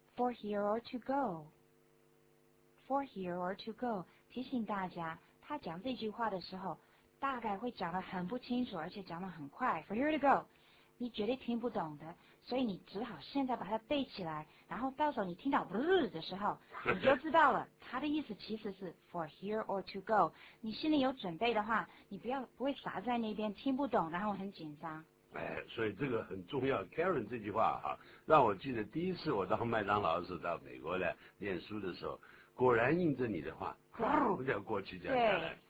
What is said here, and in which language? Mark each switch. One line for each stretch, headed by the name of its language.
English: ？For here or to go. For here or to go.
Chinese: 提醒大家，他讲这句话的时候，大概会讲得很不清楚，而且讲得很快。
English: For here to go，
Chinese: 你绝对听不懂的，所以你只好现在把它背起来，然后到时候你听到的时候，你就知道了。他的意思其实是
English: for here or to go。
Chinese: 你心里有准备的话，你不会傻在那边听不懂，然后很紧张。所以这个很重要 ，Karen 这句话哈、让我记得第一次我到麦当劳是到美国来念书的时候，果然印证你的话，要过去讲下来。